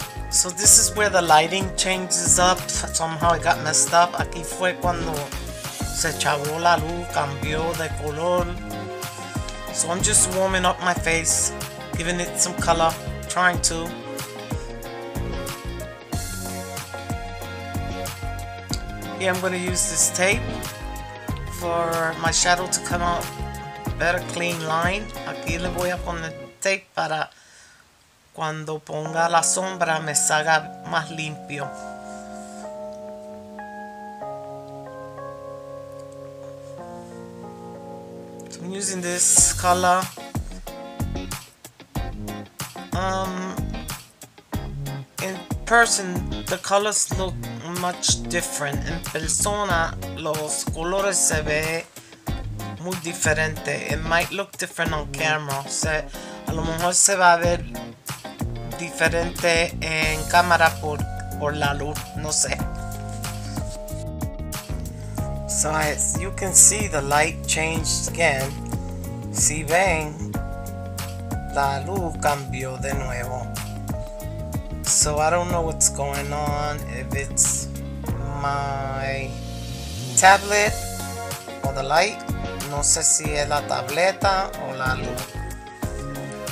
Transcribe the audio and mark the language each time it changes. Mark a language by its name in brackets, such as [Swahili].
[English] So this is where the lighting changes up. Somehow it got messed up. [Spanish] Aquí fue cuando se chavó la luz, cambió de color. [English] So I'm just warming up my face, giving it some color, trying to. Here I'm gonna use this tape for my shadow to come out better clean line. [Spanish] Aquí le voy a poner tape para cuando ponga la sombra me salga más limpio. [English] So I'm using this color. In person the colors look much different. [Spanish] En persona los colores se ve muy diferente. [English] It might look different on camera. [Spanish] O sea, a lo mejor se va a ver diferente en cámara por la luz, no sé. [English] So as you can see, the light changed again. [Spanish] Si ven, la luz cambió de nuevo. [English] So I don't know what's going on, if it's my tablet or the light. [Spanish] No sé si es la tableta o la luz.